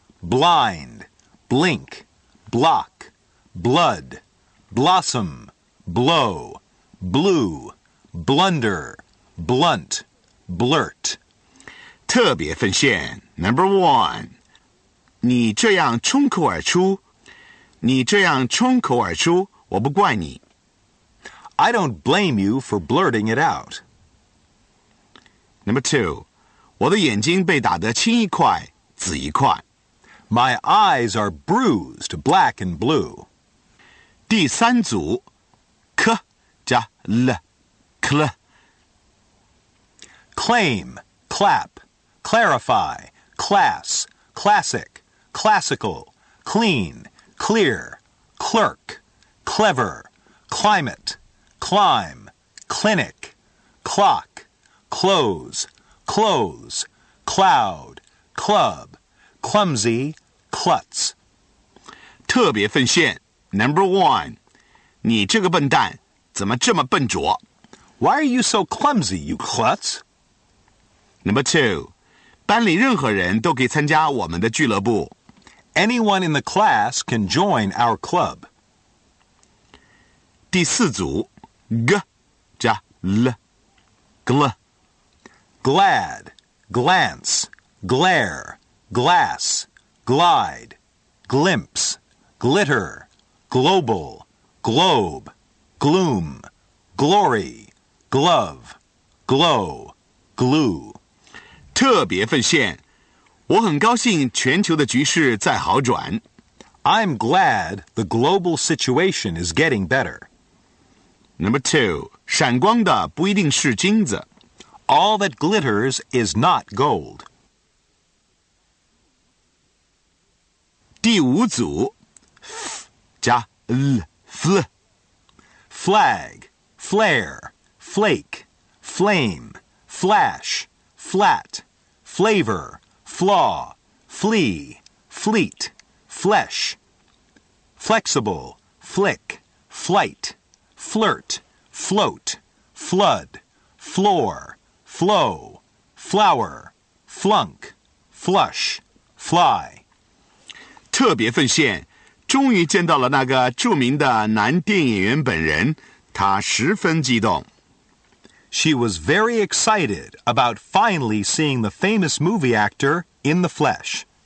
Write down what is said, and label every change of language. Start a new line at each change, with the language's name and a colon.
English: Blind, blink, block, blood, blossom, blow, blue, blunder, blunt, blurt.
Chinese: 特别奉献
English: number 1.
Chinese: 你这样冲口而出，你这样冲口而出，我不怪你。
English: I don't blame you for blurting it out. Number 2.
Chinese: 我的眼睛被打得青一块，紫一块。
English: My eyes are bruised, black and blue.
Chinese: 第三组 ，k 加 l， cl.
English: Claim, clap, clarify, class, classic, classical, clean, clear, clerk, clever, climate, climb, clinic, clock, close, clothes, cloud, club, clumsy. Klutz.
Chinese: 特别奉献
English: Number 1.
Chinese: 你这个笨蛋怎么这么笨拙
English: Why are you so clumsy, you klutz? Number 2.
Chinese: 班里任何人都可以参加我们的俱乐部
English: Anyone in the class can join our club.
Chinese: 第四组 G 加 L Gl.
English: Glad, glance, glare, glassglide, glimpse, glitter, global, globe, gloom, glory, glove, glow, glue.
Chinese: 特别奉献，我很高兴全球的局势在好转。
English: I'm glad the global situation is getting better. Number two,
Chinese: 闪光的不一定是金子。
English: All that glitters is not gold.
Chinese: 第五组 ,f 加 l, fl,
English: flag, flare, flake, flame, flash, flat, flavor, flaw, flea, fleet, flesh, flexible, flick, flight, flirt, float, flood, floor, flow, flower, flunk, flush, fly.
Chinese: 特别奉献，终于见到了那个著名的男电影演员本人，他十分激动。
English: She was very excited about finally seeing the famous movie actor in the flesh.